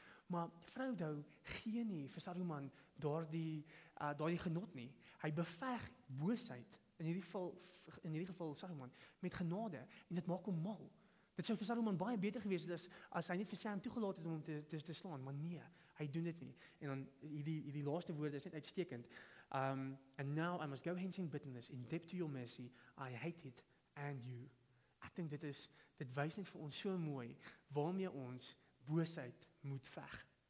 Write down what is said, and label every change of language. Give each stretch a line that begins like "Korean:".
Afrikaans: Maar Frodo gee nie vir Saruman daardie genot nie. Hy beveg boosheid, in hierdie geval Saruman, met genade, en dit maak hom mal. Dit sou vir Saruman baie beter gewees het as hy net vir Sam toegelaat het om hom te slaan, maar nee, hy doen dit nie. En dan hierdie laaste woorde is net uitstekend.
English: And now I must go hence in bitterness, in debt to your mercy, I hate it and you.
Afrikaans: Ek dink dit wys net vir ons so mooi waarmee ons boosheid moet veg.